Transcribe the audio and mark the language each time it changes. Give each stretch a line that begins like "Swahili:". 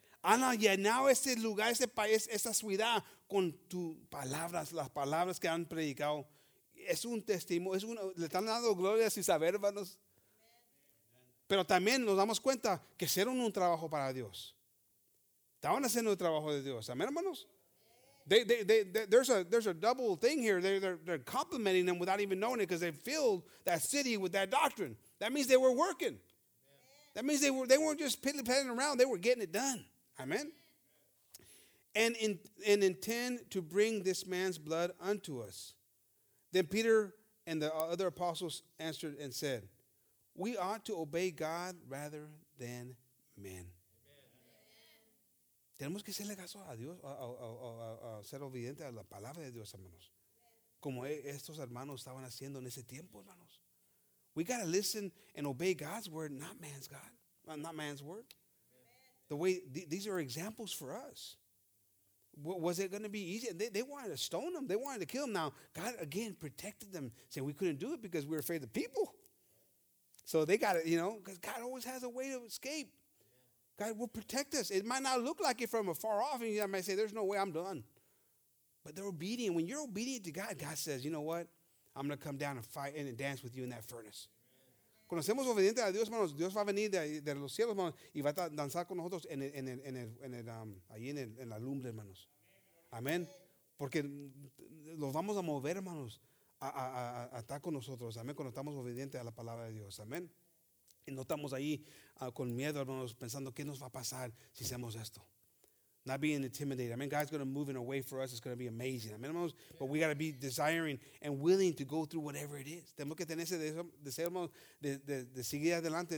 Spanish: Han llenado este lugar, este país, esta ciudad con tus palabras, las palabras que han predicado. Es un testimonio, le están dando gloria sin saber, hermanos. Pero también nos damos cuenta que hicieron un trabajo para Dios. Estaban haciendo el trabajo de Dios, amén, hermanos.
English: There's a double thing here. They're complimenting them without even knowing it because they filled that city with that doctrine. That means they were working. Amen. That means they weren't just piddling around. They were getting it done. Amen. And intend to bring this man's blood unto us. Then Peter and the other apostles answered and said, we ought to obey God rather than men.
Spanish: Tenemos que hacerle caso a Dios, a ser obediente a la palabra de Dios, hermanos. Como estos hermanos estaban haciendo en ese tiempo, hermanos.
English: We got to listen and obey God's word, not man's God, not man's word. Amen. The way these are examples for us. Was it going to be easy? They wanted to stone them. They wanted to kill them. Now, God, again, protected them, saying we couldn't do it because we were afraid of the people. So they got it, you know, because God always has a way to escape. God will protect us. It might not look like it from afar off, and you might say, there's no way, I'm done. But they're obedient. When you're obedient to God, God says, you know what? I'm going to come down and fight and dance with you in that furnace.
Spanish: Conocemos obediente a Dios, hermanos. Dios va a venir de los cielos, hermanos, y va a danzar con nosotros en la lumbre, hermanos. Amén. Porque los vamos a mover, hermanos, a estar con nosotros. Amén. Cuando estamos obedientes a la palabra de Dios. Amén. Y no estamos ahí con miedo, hermanos, pensando qué nos va a pasar si hacemos esto.
English: Not being intimidated. I mean, God's going to move in a way for us. It's going to be amazing. I mean, hermanos, yeah. But we got to be desiring and willing to go through whatever it is.
Spanish: Tenemos que tener ese deseo, hermanos, de seguir adelante.